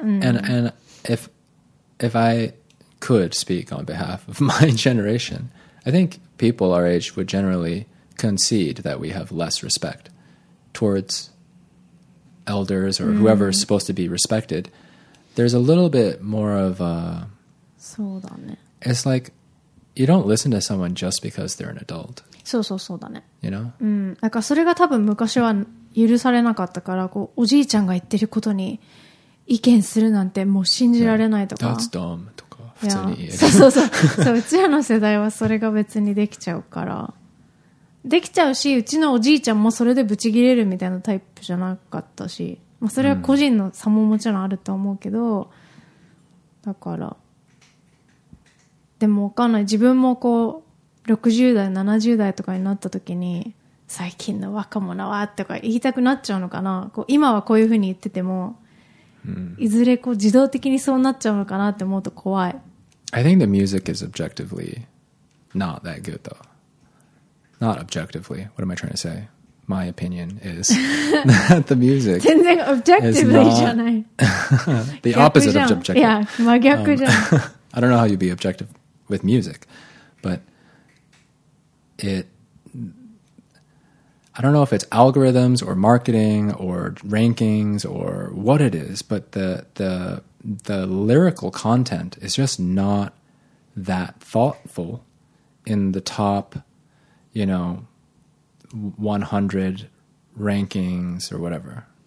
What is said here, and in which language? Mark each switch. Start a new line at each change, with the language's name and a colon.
English: And if I could speak on behalf of my generation, I think people our age would generally concede that we have less respect towards elders or whoever is supposed to be respected. There's a little bit more of a...
Japanese: そうだね。
English: It's like you don't listen to someone just because they're an adult.
Japanese: そうそうそうだね。
English: You know?
Japanese: なんかそれが多分昔は許されなかったから、こうおじいちゃんが言ってることに意見するなんてもう信じられないとか、
English: That's dumb
Japanese: とか普通に言える。そうそうそう、 うちらの世代はそれが別にできちゃうから、できちゃうし、うちのおじいちゃんもそれでブチ切れるみたいなタイプじゃなかったし、まあ、それは個人の差ももちろんあると思うけど、だからでも分かんない、自分もこう60代70代とかになった時に最近の若者はとか言いたくなっちゃうのかな、こう今はこういうふうに言ってても、いずれこう自動的にそうなっちゃうのかなって思うと怖い。
English: I think the music is objectively not that good though. Not objectively. What am I trying to say? My opinion is that the music
Japanese: 全然 objectively
English: is not
Japanese: じゃない。
English: The opposite of objective.
Japanese: いや、真逆じゃん。
English: I don't know how you'd be objective with music, but I don't know if it's algorithms or marketing or rankings or what it is, but the lyrical content is just not that thoughtful in the top, you know, 100 rankings or whatever.